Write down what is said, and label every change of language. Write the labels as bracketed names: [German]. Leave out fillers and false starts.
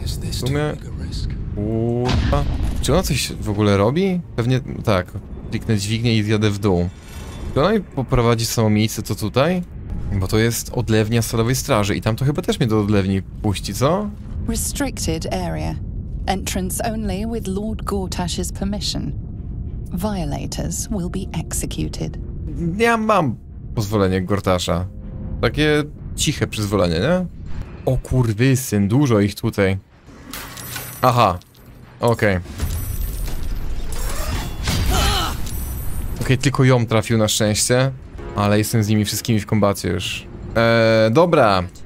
[Polish] W sumie... Kurwa. Czy ona coś w ogóle robi? Pewnie tak. Kliknę dźwignię i zjadę w dół. Czy ona mi poprowadzi samo miejsce co tutaj? Bo to jest odlewnia Stalowej Straży i tam to chyba też mnie do odlewni puści, co? [English] Restricted area. Entrance only with Lord Gortash's permission. Violators will be executed. [Polish] Ja mam pozwolenie Gortasza. Takie ciche przyzwolenie, nie? O kurwy syn, dużo ich tutaj. Aha. Okej. Okej, tylko ją trafił na szczęście. Ale jestem z nimi wszystkimi w kombacie już. Dobra.